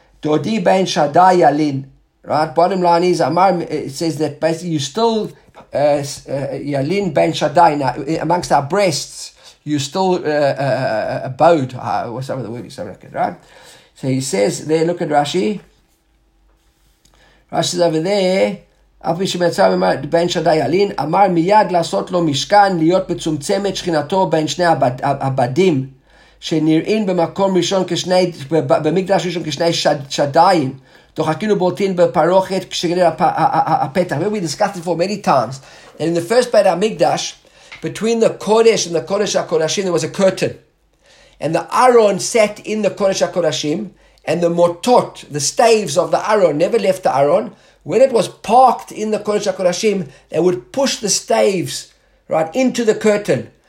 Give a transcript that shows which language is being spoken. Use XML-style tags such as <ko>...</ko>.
<en>Dodi Ben Shaddai Yalin, right? Bottom line is, Amar, it says that basically you still, Yalin Ben Shaddai, now, amongst our breasts, you still abode. What's some of the word? Something like it, right? So he says, there, look at Rashi. Rashi's over there.</en> <he>אף מי שמצא בין שדאי אלין, אמר מיד לעשות לו משכן, להיות בצומצמת שכינתו בין שני הבדים, שנראים במקום ראשון כשני, במקדש ראשון כשני שדאים, דוחקינו בולטין בפרוכת כשגדל הפתח.</he> <en>We discussed it for many times. And in the first part of המקדש, between the Kodesh and the Kodesh HaKodashim, there was a curtain. And the Aron sat in the Kodesh HaKodashim, and the motot, the staves of the Aron, never left the Aron. When it was parked in the Kodesh HaKodashim, they would push the staves right into the curtain.</en>